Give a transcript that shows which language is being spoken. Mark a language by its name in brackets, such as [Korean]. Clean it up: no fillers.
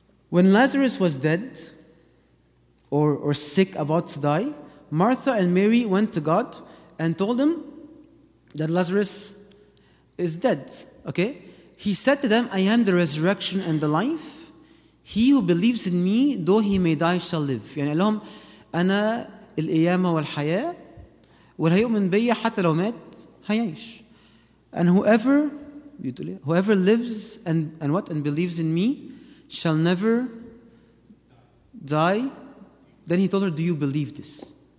[English] When Lazarus was dead or sick about to die, Martha and Mary went to God and told him that Lazarus is dead. Okay? He said to them, I am the resurrection and the life. He who believes in me, though he may die, shall live. [Arabic] يعني لهم أنا القيامة والحياة والهيؤمن بي حتى لو مات هيعيش. [English] And whoever lives and what and believes in me shall never die. Then he told her, do you believe this?